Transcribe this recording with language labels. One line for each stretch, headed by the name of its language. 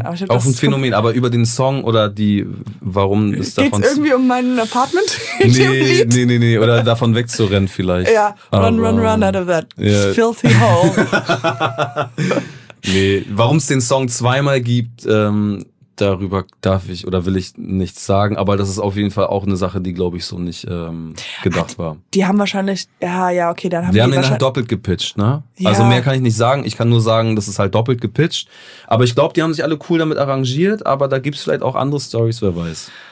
German: Aber ich glaub, auch ein Phänomen, aber über den Song oder die, warum ist davon... Geht's irgendwie um mein Apartment? Nee, oder davon wegzurennen vielleicht.
English: Ja, Run, Run, Run out of that filthy hole.
German: Nee, warum es den Song zweimal gibt, darüber darf ich oder will ich nichts sagen, aber das ist auf jeden Fall auch eine Sache, die, glaube ich, so nicht gedacht war. Die haben wahrscheinlich, dann haben wir haben den halt doppelt gepitcht, ne? Ja. Also mehr kann ich nicht sagen. Ich kann nur sagen, das ist halt doppelt gepitcht. Aber ich glaube, die haben sich alle cool damit arrangiert, aber da gibt es vielleicht auch andere Stories, wer weiß.